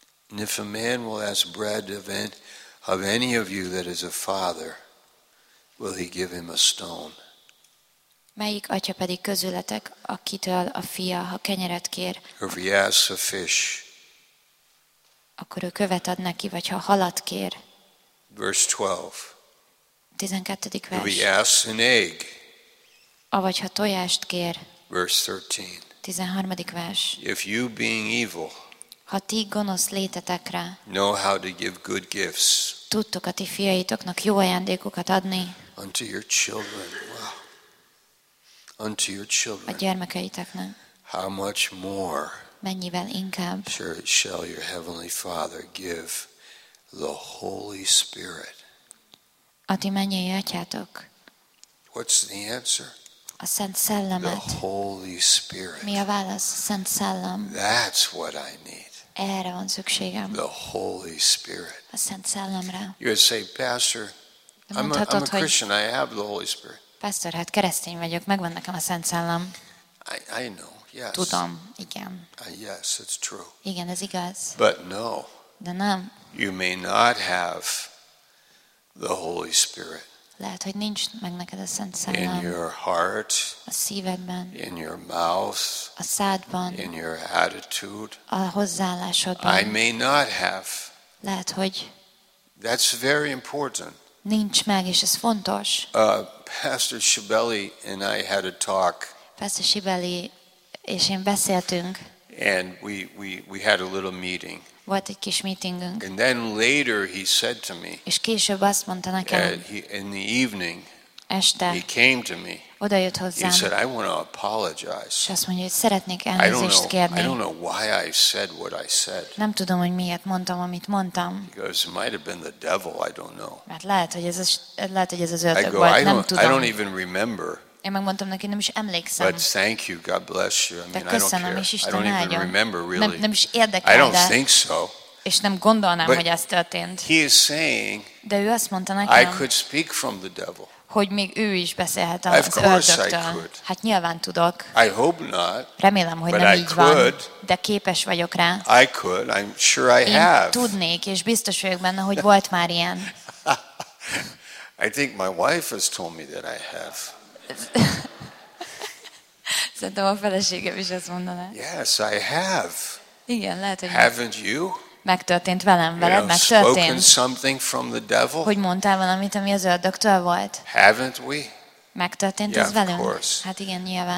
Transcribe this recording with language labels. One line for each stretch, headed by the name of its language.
English: And if a man will ask bread of any of you that is a father, will he give him a stone?
Hungarian: Melyik atya pedig közületek, akitől a fia, ha kenyeret kér?
English: If he asks a fish,
Hungarian: akkor ő követ ad neki, vagy ha halat kér.
English: Verse 12.
Hungarian: 12. vers.
English: If he asks an egg,
Hungarian: avagy ha tojást kér.
English: Verse 13.
Hungarian: 13. vers.
English: If you being evil,
Hungarian: ha ti gonosz létetekre,
English: know how to give good gifts,
Hungarian: tudtok a ti fiaitoknak jó ajándékokat adni.
English: Unto your children. Wow. unto your children.
Hungarian: A gyermekeiteknek.
English: How much more?
Hungarian: Mennyivel inkább?
English: Sure, shall your heavenly Father give the Holy Spirit.
Hungarian: A ti mennyei atyátok.
English: What's the answer?
Hungarian: A Szent Szellemet.
English: The Holy Spirit.
Hungarian: Mi a válasz? Szent Szellem.
English: That's what I need.
Hungarian: Erre van szükségem.
English: The Holy Spirit.
Hungarian: A Szent Szellemre.
English: You would say, Pastor, I'm a Christian, I have the Holy Spirit.
Hungarian: Pastor, hát keresztény vagyok, megvan nekem a Szent Szellem.
English: I know, yes.
Hungarian: Tudom, igen.
English: Yes, it's true.
Hungarian: Igen, ez igaz.
English: But no.
Hungarian: De nem.
English: You may not have the Holy Spirit.
Hungarian: Lehet, hogy nincs meg neked a Szent Szellem.
English: In your heart.
Hungarian: A szívedben.
English: In your mouth.
Hungarian: A szádban.
English: In your attitude.
Hungarian: A hozzáállásodban.
English: I may not have.
Hungarian: Lehet, hogy.
English: That's very important.
Hungarian: Nincs meg, és ez fontos.
English: Pastor Shibeli and I had a talk.
Hungarian: Pastor Shibeli és én beszéltünk.
English: And we had a little meeting.
Hungarian: Volt egy kis meetingünk.
English: And then later he said to me.
Hungarian: És később azt mondta nekem.
English: In the evening.
Hungarian: Este.
English: He came to me.
Hungarian: Odajött hozzám.
English: He said, I want to apologize.
Hungarian: És azt mondja, hogy szeretnék elnézést kérni.
English: I don't know why I said what I said.
Hungarian: Nem tudom, hogy miért mondtam, amit mondtam.
English: He goes, it might have been the devil, I don't know.
Hungarian: Mert lehet, hogy ez az ördög volt, nem tudom.
English: I don't even remember.
Hungarian: Én megmondtam neki, nem is emlékszem.
English: But thank you, God bless you. I mean,
Hungarian: köszönöm,
English: I don't care. I don't even remember really.
Hungarian: Nem is érdekel,
English: I don't think so.
Hungarian: És nem gondolnám, but hogy ez történt.
English: He is saying,
Hungarian: de ő azt mondta nekem,
English: I could speak from the devil.
Hungarian: Hogy még ő is beszélhet az ördögtől. Hát nyilván tudok.
English: I hope not.
Hungarian: Remélem, hogy nem így van, de képes vagyok rá.
English: I could. I'm sure I have.
Hungarian: Én tudnék, és biztos vagyok benne, hogy volt már ilyen.
English: I think my wife has told me that I have.
Hungarian: Szerintem a feleségem is ezt mondaná.
English: Yes, I have.
Hungarian: Igen, lehet, hogy.
English: Haven't you?
Hungarian: Megtörtént velem, veled megtörtént.
English: Spoken something from the devil?
Hungarian: Hogy mondtál valamit, ami az ördögtől volt?
English: Haven't we?
Hungarian: Megtörtént
English: yeah,
Hungarian: ez velünk?
English: Of course.
Hungarian: Hát igen, nyilván.